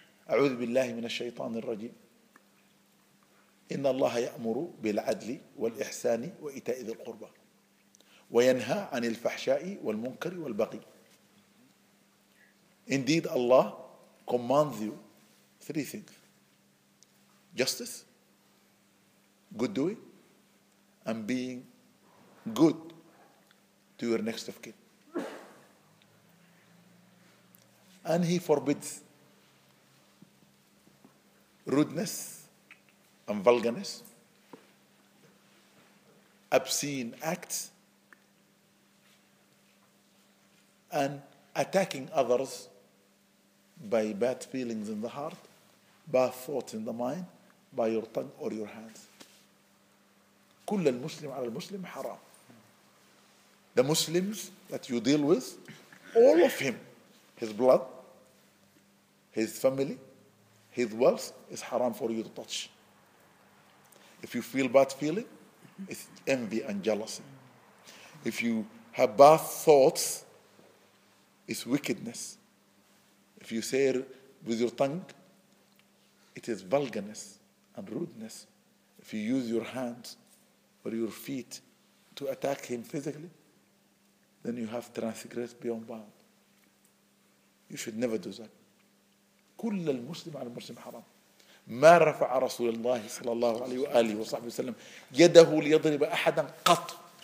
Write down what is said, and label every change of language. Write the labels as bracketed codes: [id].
[ar] أعوذ بالله من الشيطان الرجيم. إن الله يأمر بالعدل والإحسان وإيتاء ذي القربى وينهى عن الفحشاء والمنكر والبغي. [en] Indeed, Allah commands you three things: justice, good doing, and being good to your next of kin. And He forbids rudeness and vulgarness, obscene acts, and attacking others by bad feelings in the heart, bad thoughts in the mind, by your tongue or your hands. [ar] كل المسلم على المسلم حرام. [en] The Muslims that you deal with, all of him, his blood, his family, his wealth, is haram for you to touch. If you feel bad feeling, it's envy and jealousy. If you have bad thoughts, it's wickedness. If you say it with your tongue, it is vulgarness and rudeness. If you use your hands, or your feet to attack him physically, then you have transgressed beyond bound. You should never do that. [ar] كل المسلم على المسلم حرام. ما رفع رسول الله صلى الله عليه وآله وصحبه وسلم يده ليضرب أحدا قط.